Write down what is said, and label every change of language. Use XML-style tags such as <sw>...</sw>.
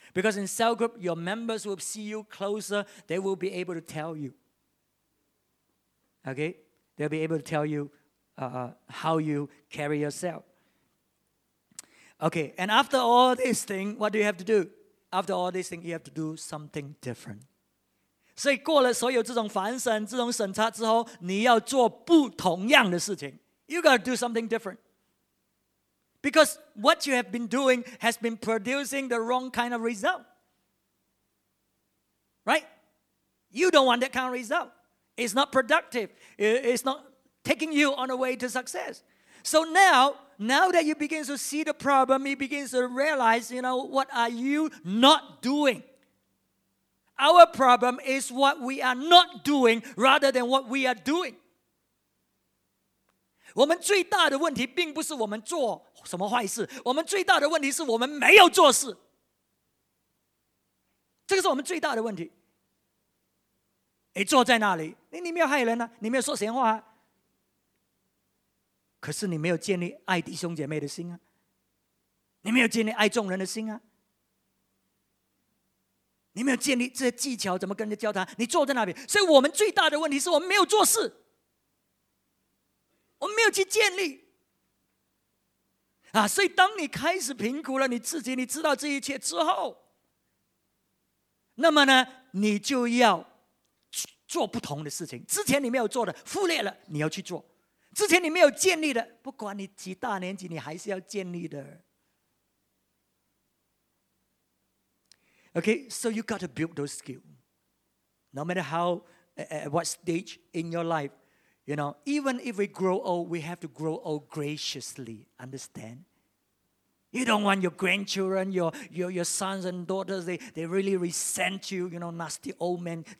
<en>Because in cell group, your members will see you closer. They will be able to tell you. OK? They'll be able to tell you how you carry yourself. Okay, and after all this thing, what do you have to do? After all this thing, you have to do something different.</en> <zh>所以过了所有这种反省、这种审查之后，你要做不同样的事情。</zh> <en>You got to do something different. Because what you have been doing has been producing the wrong kind of result. Right? You don't want that kind of result. It's not productive. It's not taking you on the way to success. So now that you begin to see the problem, you begin to realize, you know, what are you not doing? Our problem is what we are not doing rather than what we are doing.</en> <zh>我们最大的问题并不是我们做什么坏事，我们最大的问题是我们没有做事。这个是我们最大的问题。你坐在那里，你没有害人啊，你没有说闲话啊，可是你没有建立爱弟兄姐妹的心啊，你没有建立爱众人的心啊，你没有建立这些技巧怎么跟人家交谈，你坐在那边。所以我们最大的问题是我们没有做事，我们没有去建立啊。所以当你开始评估了你自己，你知道这一切之后，那么呢，你就要做不同的事情。之前你没有做的忽略了，你要去做。之前你没有建立的，不管你几大年纪，你还是要建立的。</zh> <en>Okay, so you got to build those skills. No matter how, at what stage in your life, you know, even if we grow old, we have to grow old graciously. Understand? You don't want your grandchildren, your sons and daughters, they really resent you, you know, nasty old man.</en>